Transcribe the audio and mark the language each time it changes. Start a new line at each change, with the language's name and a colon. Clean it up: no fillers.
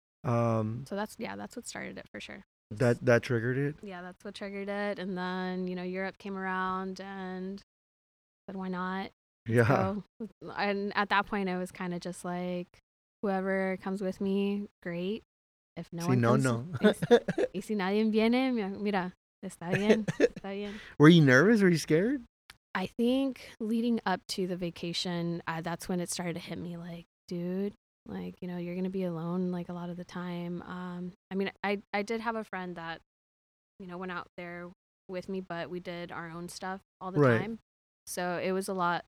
English: So that's what started it for sure. That triggered it? Yeah, that's what triggered it. And then, you know, Europe came around and said, why not? Yeah. So, and at that point, it was kind of just like, whoever comes with me, great. If no
Spanish: si
English: one
Spanish: no,
English: comes,
Spanish: no. Y si nadie viene, mira, está bien.
English: Were you nervous? Were you scared? I think leading up to the vacation, that's when it started to hit me like, dude, like, you know, you're going to be alone like a lot of the time. I mean, I did have a friend that, you know, went out there with me, but we did our own stuff all the time. So it was a lot.